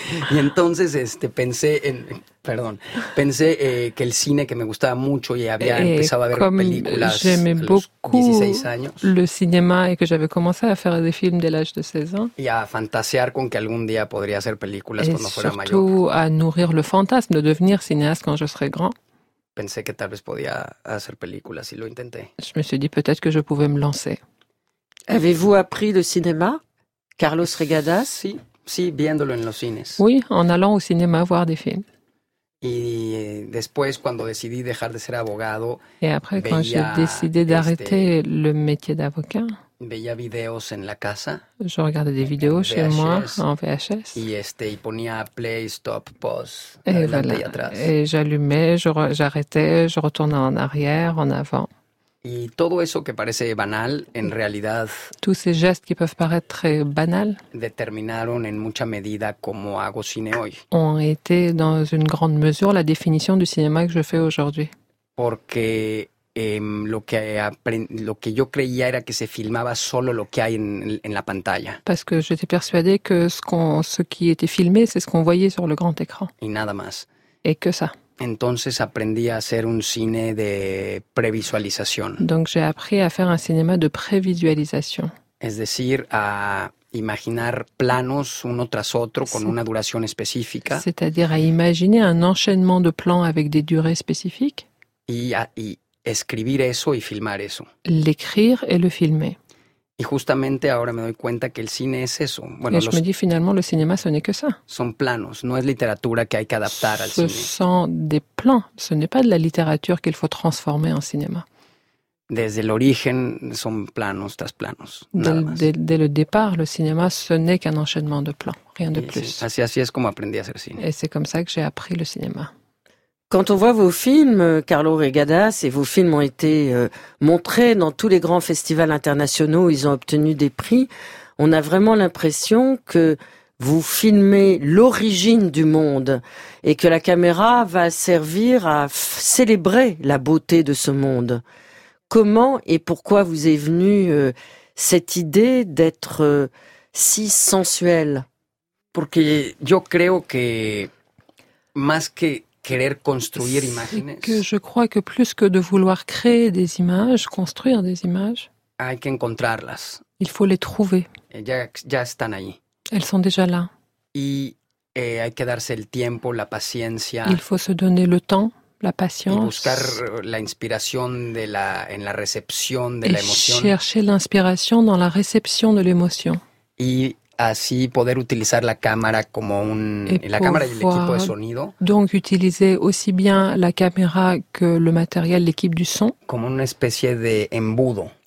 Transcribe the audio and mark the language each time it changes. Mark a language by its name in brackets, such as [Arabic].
[Spanish] Y entonces pensé que el cine que me gustaba mucho y había empezado a ver películas a los 16 años. [French] Le cinéma y que j'avais commencé a faire des films dès l'âge de 16 ans. [Spanish] Y a fantasear con que algún día podría hacer películas [French] et [Spanish] cuando fuera mayor. [French] Et surtout à nourrir le fantasme de devenir cinéaste quand je serai grand. [Spanish] Pensé que tal vez podía hacer películas y lo intenté. [French] Je me suis dit peut-être que je pouvais me lancer. Avez-vous appris le cinéma? [Spanish] Carlos Regadas, sí, viéndolo en los cines. [French] Oui, en allant au cinéma voir des films. [Spanish] Y después cuando decidí dejar de ser abogado, [French] et après quand j'ai décidé d'arrêter le métier d'avocat, [Spanish] veía videos en la casa. [French] Je regardais des vidéos chez moi en VHS. [Spanish] Y ponía play, stop, pause, [French] et voilà. [Spanish] Y atrás. [French] Et j'allumais, j'arrêtais, je retournais en arrière, en avant. [Spanish] Y todo eso que parece banal, en realidad, [French] tous ces gestes qui peuvent paraître banals, [Spanish] determinaron en mucha medida cómo hago cine hoy. [French] Ont été dans une grande mesure la définition du cinéma que je fais aujourd'hui. [Spanish] Porque lo que yo creía era que se filmaba solo lo que hay en la pantalla. [French] Parce que j'étais persuadé que ce qui était filmé, c'est ce qu'on voyait sur le grand écran. [Spanish] Y nada más. [French] Et que ça. [Spanish] Entonces aprendí a hacer un cine de previsualización. [French] Donc j'ai appris à faire un cinéma de prévisualisation. [Spanish] Es decir, a imaginar planos uno tras otro con una duración específica. [French] C'est-à-dire à imaginer un enchaînement de plans avec des durées spécifiques. [Spanish] Y escribir eso y filmar eso. [French] L'écrire et le filmer. [Spanish] Y justamente ahora me doy cuenta que el cine es eso. [French] Bueno, et je me dis finalement, le cinéma, ce n'est que ça. [Spanish] Son planos, no es literatura que hay que adaptar al cine. [French] Ce sont des plans, ce n'est pas de la littérature qu'il faut transformer en cinéma. [Spanish] Desde el origen, son planos tras planos, nada más. [French] Dès le départ, le cinéma, ce n'est qu'un enchaînement de plans, rien de plus. [Spanish] Así es como aprendí a hacer cine. [French] Et c'est comme ça que j'ai appris le cinéma. Quand on voit vos films, Carlo Regadas, et vos films ont été montrés dans tous les grands festivals internationaux où ils ont obtenu des prix, on a vraiment l'impression que vous filmez l'origine du monde et que la caméra va servir à célébrer la beauté de ce monde. Comment et pourquoi vous est venue cette idée d'être si sensuel? [Spanish] Porque yo creo que más que querer construir imágenes. [French] Que je crois que plus que de vouloir créer des images, construire des images, [Spanish] hay que encontrarlas. [French] Il faut les trouver. [Spanish] Ya están ahí. [French] Elles sont déjà là. [Spanish] Y hay que darse el tiempo, la paciencia. [French] Il faut se donner le temps, la patience. [Spanish] Y buscar la inspiración en la recepción de [French] et [Spanish] la emoción. [French] Et chercher l'inspiration dans la réception de l'émotion. [Spanish] Y así poder utilizar la cámara como un [French] et [Spanish] la cámara y el equipo de sonido. [French] Donc utiliser aussi bien la caméra que le matériel, l'équipe du son. [Spanish] Como una especie de embudo.